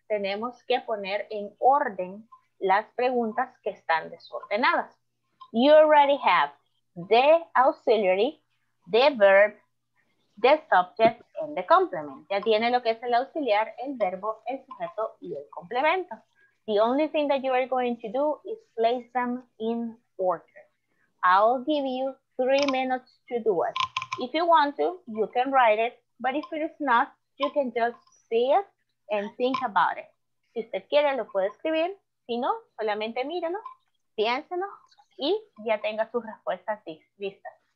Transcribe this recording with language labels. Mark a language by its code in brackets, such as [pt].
[es] Tenemos que poner en orden las preguntas que están desordenadas. [en] You already have the auxiliary, the verb, the subject and the complement. [es] Ya tiene lo que es el auxiliar, el verbo, el sujeto y el complemento. [en] The only thing that you are going to do is place them in order. I'll give you 3 minutes to do it. If you want to, you can write it, but if it is not, you can just see it and think about it. [es] Si usted quiere, lo puede escribir. Si no, solamente mírenlo, piénsenlo y ya tenga sus respuestas listas.